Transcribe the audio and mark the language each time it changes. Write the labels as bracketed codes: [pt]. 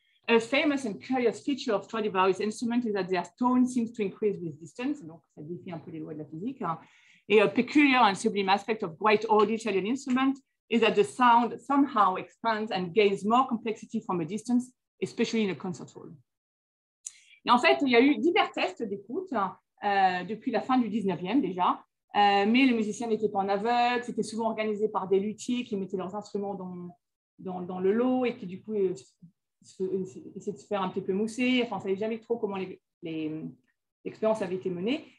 [en] A famous and curious feature of Stradivarius instruments is that their tone seems to increase with distance. [fr] Donc, ça défie un peu les lois de la physique. [en] Et a peculiar and sublime aspect of great old Italian instrument is that the sound somehow expands and gains more complexity from a distance, especially in a concert hall. [fr] Et en fait, il y a eu divers tests d'écoute depuis la fin du 19e déjà, mais les musiciens n'étaient pas en aveugle, c'était souvent organisé par des luthiers qui mettaient leurs instruments dans le lot et qui du coup essayaient de se faire un petit peu mousser. Enfin, on ne savait jamais trop comment l'expérience avait été menée.